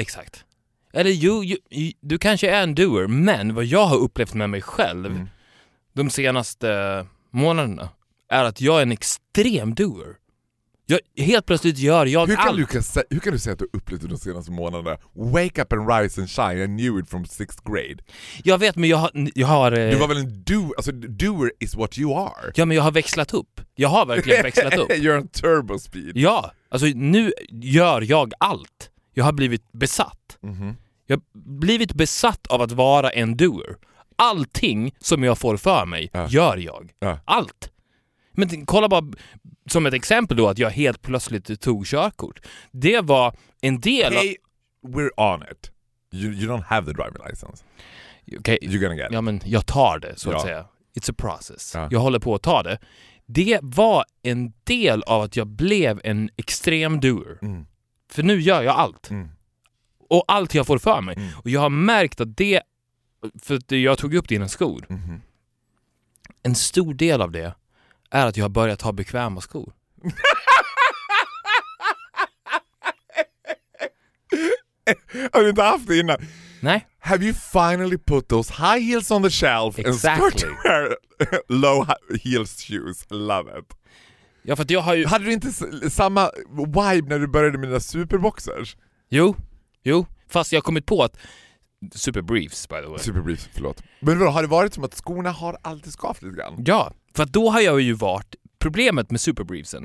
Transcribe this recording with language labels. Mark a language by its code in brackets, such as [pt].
[sv] Exakt. Eller du kanske är en doer, men vad jag har upplevt med mig själv de senaste månaderna är att jag är en extrem doer. Jag, helt plötsligt gör jag hur kan allt. Hur kan du säga att du upplevt de senaste månaderna? [en] Wake up and rise and shine, I knew it from sixth grade. [sv] Jag vet, men jag har... Du var väl en doer, alltså [en] doer is what you are. [sv] Ja, men jag har växlat upp. Jag har verkligen växlat upp. [en] You're on turbo speed. [sv] Ja, alltså nu gör jag allt. Jag har blivit besatt. Mm-hmm. Jag har blivit besatt av att vara en doer. Allting som jag får för mig gör jag. Allt. Men kolla bara, som ett exempel då, att jag helt plötsligt tog körkort. Det var en del av... [en] Hey, we're on it. You don't have the driving license. Okay. You're gonna get it. [sv] Ja, men jag tar det, så att säga. [en] It's a process. [sv] Ja. Jag håller på att ta det. Det var en del av att jag blev en extrem doer. Mm. För nu gör jag allt. Mm. Och allt jag får för mig. Mm. Och jag har märkt att det... För att jag tog upp dina skor. Mm-hmm. En stor del av det är att jag har börjat ha bekväma skor. Har du inte haft det innan? Nej. [en] Have you finally put those high heels on the shelf? Exactly. And start to wear low heels shoes? Love it. [sv] Ja, för att jag har ju... Hade du inte samma vibe när du började med dina superboxers? Jo. Fast jag har kommit på att... [en] Superbriefs, by the way. [sv] Superbriefs, förlåt. Men vadå, har det varit som att skorna har alltid skavt lite grann? Ja, för att då har jag ju varit problemet med superbriefsen.